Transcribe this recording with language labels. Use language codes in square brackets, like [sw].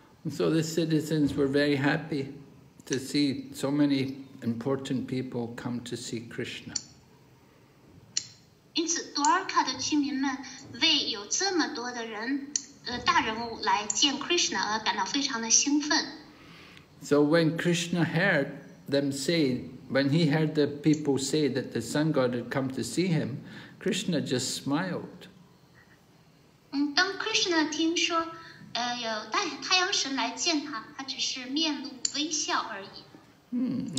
[en] So the citizens were very happy to see so many important people come to see Krishna. [zh] 因此，多尔卡的居民们为有这么多的人，大人物来见 Krishna 而感到非常的兴奋。 [en] So when Krishna heard them say, when he heard the people say that the sun god had come to see him, Krishna just smiled. [zh] 当 Krishna 听说，有太阳神来见他，他只是面露微笑而已。